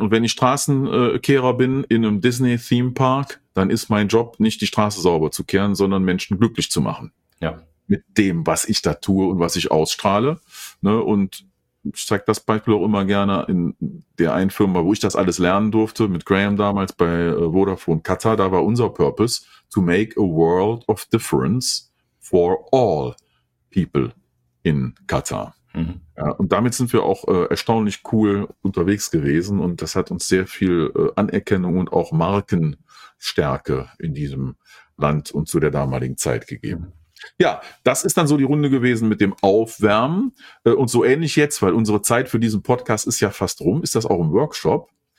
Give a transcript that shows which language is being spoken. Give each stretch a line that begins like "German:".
German: Und wenn ich Straßenkehrer bin in einem Disney Theme Park, dann ist mein Job nicht die Straße sauber zu kehren, sondern Menschen glücklich zu machen. Ja. Mit dem, was ich da tue und was ich ausstrahle. Ne? Und ich zeige das Beispiel auch immer gerne in der einen Firma, wo ich das alles lernen durfte, mit Graham damals bei Vodafone Qatar. Da war unser Purpose,
English: to make a world of difference for all people in Qatar.
German: Mhm. Ja, und damit sind wir auch erstaunlich cool unterwegs gewesen. Und das hat uns sehr viel Anerkennung und auch Markenstärke in diesem Land und zu der damaligen Zeit gegeben. Ja, das ist dann so die Runde gewesen mit dem Aufwärmen. Und so ähnlich jetzt, weil unsere Zeit für diesen Podcast ist ja fast rum, ist das auch im Workshop.